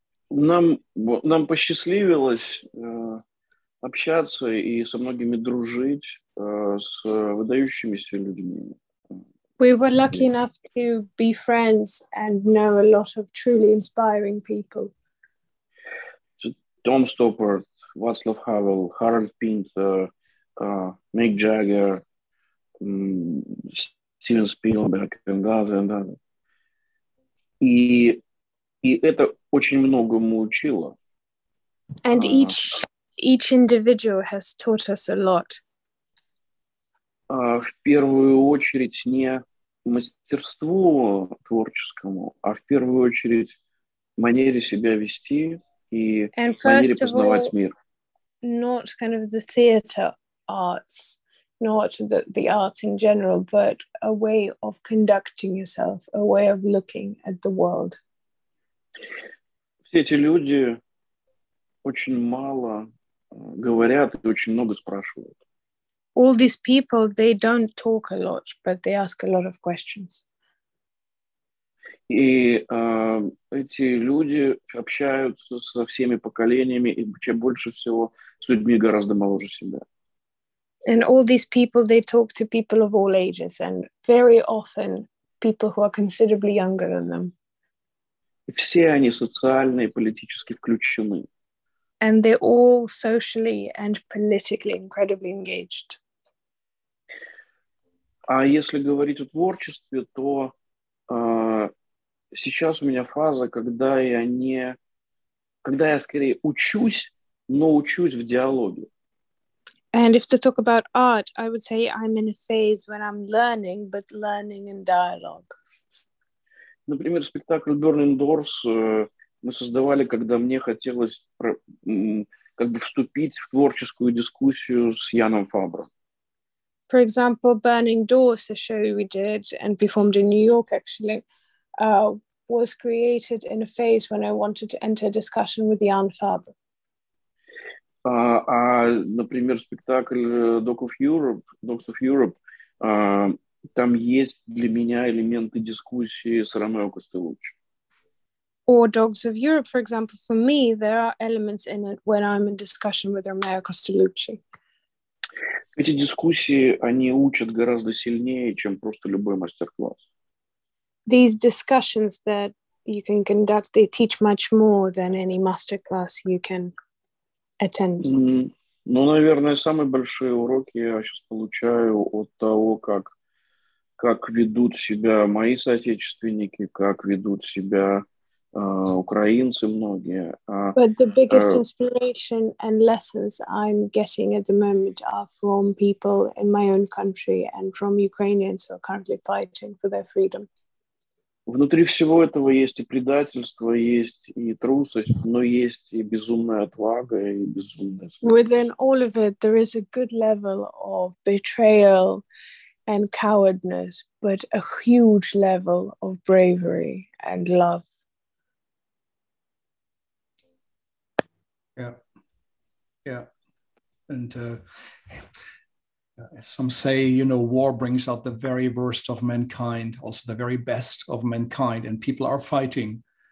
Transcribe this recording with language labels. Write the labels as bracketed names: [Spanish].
[Russian] Нам посчастливилось общаться и со многими дружить с выдающимися людьми, [English] We were lucky enough to be friends and know a lot of truly inspiring people. So Tom Stoppard, Václav Havel, Harold Pinter, Mick Jagger, Steven Spielberg and others. [Russian] Это очень многому учило. [English] And each individual has taught us a lot. [Russian] В первую очередь не мастерству творческому, а в первую очередь манере себя вести и манере познавать мир. [English] Not kind of the theater arts, not the arts in general, but a way of conducting yourself, a way of looking at the world. [Russian] Все эти люди очень мало говорят и очень много спрашивают. [English] All these people, they don't talk a lot, but they ask a lot of questions. [Russian] И эти люди общаются со всеми поколениями и чем больше всего с людьми гораздо моложе себя. [English] And all these people, they talk to people of all ages, and very often people who are considerably younger than them. [Russian] И все они социально и политически включены. [English] And they're all socially and politically incredibly engaged. [Russian] А если говорить о творчестве, то сейчас у меня фаза, когда я скорее учусь, но учусь в диалоге. [English] And if to talk about art, I would say I'm in a phase when I'm learning, but learning in dialogue. [Russian] Например, спектакль Burning Doors мы создавали, когда мне хотелось как бы вступить в творческую дискуссию с Яном Фабром. [English] For example, Burning Doors, a show we did and performed in New York, actually, was created in a phase when I wanted to enter a discussion with Jan Faber. [Russian] Например, спектакль Dogs of Europe, там есть для меня элементы дискуссии с Ромео Костелуччи. [English] Or Dogs of Europe, for example, for me, there are elements in it when I'm in discussion with Ромео Костелуччи. [Russian] Эти дискуссии, они учат гораздо сильнее, чем просто любой мастер-класс. [English] These discussions that you can conduct, they teach much more than any masterclass you can attend. [Russian] Ну, наверное, самые большие уроки я сейчас получаю от того, как ведут себя мои соотечественники, как ведут себя украинцы многие. [English] But the biggest inspiration and lessons I'm getting at the moment are from people in my own country and from Ukrainians who are currently fighting for their freedom. [Russian] Внутри всего этого есть и предательство, есть и трусость, но есть и безумная отвага и безумная смерть. [English] Within all of it, there is a good level of betrayal and cowardice, but a huge level of bravery and love. Yeah, and some say, you know, war brings out the very worst of mankind, also the very best of mankind, and people are fighting.